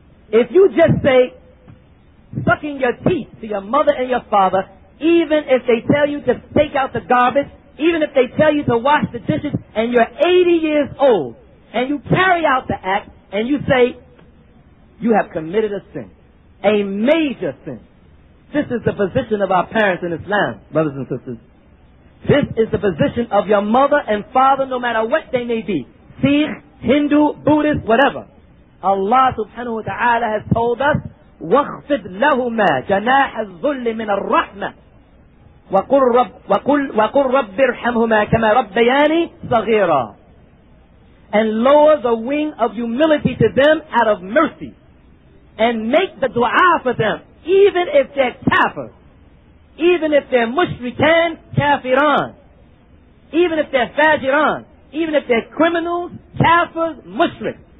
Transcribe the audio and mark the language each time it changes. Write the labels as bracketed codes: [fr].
[en] If you just say, sucking your teeth to your mother and your father, even if they tell you to take out the garbage, even if they tell you to wash the dishes, and you're 80 years old, and you carry out the act, and you say, you have committed a sin. A major sin. This is the position of our parents in Islam, brothers and sisters. This is the position of your mother and father, no matter what they may be. Sikh, Hindu, Buddhist, whatever. Allah subhanahu wa ta'ala has told us, [ar] وَاخْفِضْ لَهُمَا جَنَاحَ الظُّلِّ مِنَ الرَّحْمَةِ وَقُلْ رَبِّ ارْحَمْهُمَا كَمَا رَبَّيَانِي صَغِيرًا. [en] And lower the wing of humility to them out of mercy. And make the dua for them, even if they're kafir, even if they're mushrikan, kafiran, even if they're fajiran, even if they're criminals, kafirs, mushrik.